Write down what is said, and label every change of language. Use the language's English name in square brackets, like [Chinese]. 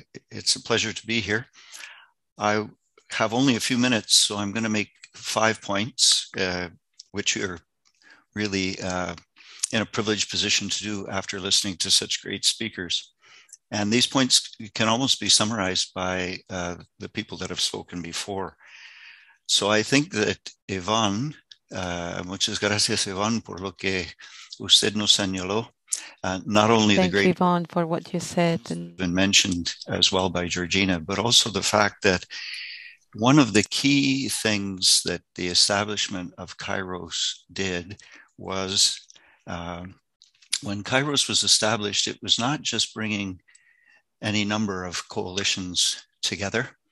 [English] It's a pleasure to be here. I have only a few minutes, so I'm going to make 5 points, which are really in a privileged position to do after listening to such great speakers. And these points can almost be summarized by the people that have spoken before. So I think that [Spanish] Ivonne, muchas gracias, Ivonne, por lo que usted nos señaló. [English] Not only thank the great Ivonne for what you said and been mentioned as well by Georgina, but also the fact that one of the key things that the establishment of Kairos did was when Kairos was established, it was not just bringing any number of coalitions together.